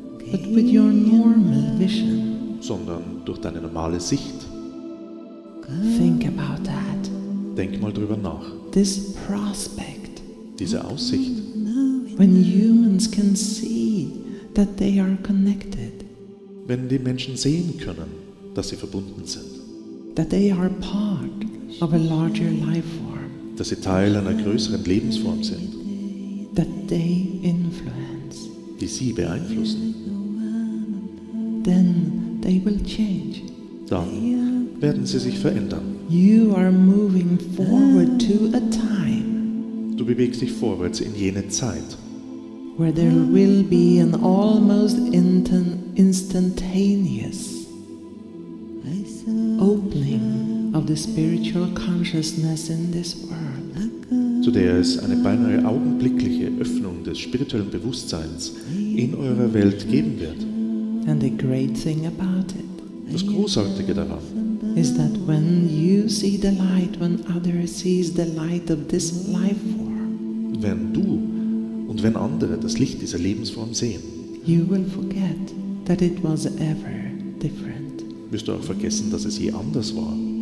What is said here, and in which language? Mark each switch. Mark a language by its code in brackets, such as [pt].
[en] But with your normal vision. [de] Sondern durch deine normale Sicht. [en] Think about that. [de] Denk mal drüber nach. [en] This prospect, [de] diese Aussicht. [en] When humans can see that they are connected. [de] Wenn die Menschen sehen können, dass sie verbunden sind. [en] That they are part of a larger life form. [de] Dass sie Teil einer größeren Lebensform sind. [en] That they influence. [de] Die sie beeinflussen. [en] Then they will change. [de] Dann werden sie sich verändern. [en] You are moving forward to a time. [de] Du bewegst dich vorwärts in jene Zeit. [en] Where there will be an almost instantaneous opening of the spiritual consciousness in this world. [de] Zu der es eine beinahe augenblickliche Öffnung des spirituellen Bewusstseins in eurer Welt geben wird. [en] And the great thing about it. [de] Das Großartige daran. [en] Is that when you see the light, when others see the light of this life form, [de] wenn du und wenn andere das Licht dieser Lebensform sehen, [en] you will forget that it was ever different. [de] Wirst du auch vergessen, dass es je anders war.